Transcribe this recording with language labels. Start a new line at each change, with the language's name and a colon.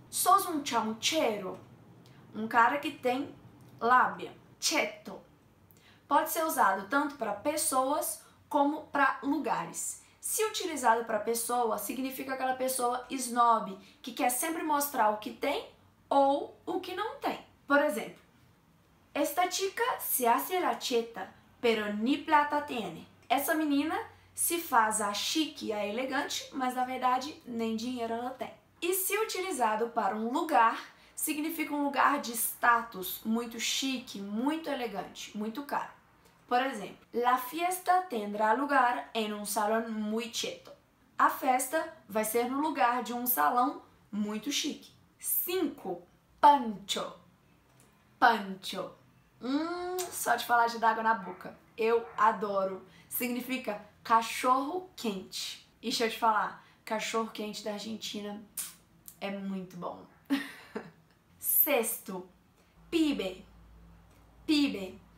Portuguese: Sos um chamuchero, um cara que tem lábia. Cheto pode ser usado tanto para pessoas como para lugares. Se utilizado para pessoa, significa aquela pessoa snob, que quer sempre mostrar o que tem ou o que não tem.
Spanish: Por exemplo, esta chica se hace la cheta, pero ni plata tiene.
Portuguese: Essa menina se faz a chique e a elegante, mas na verdade nem dinheiro ela tem. E se utilizado para um lugar, significa um lugar de status, muito chique, muito elegante, muito caro.
Spanish: Por exemplo, la fiesta tendrá lugar en un salón muy cheto.
Portuguese: A festa vai ser no lugar de um salão muito chique. 5. Pancho. Pancho. Só de falar já dá água na boca. Eu adoro. Significa cachorro quente. E deixa eu te falar, cachorro quente da Argentina é muito bom. 6. Pibe. Pibe.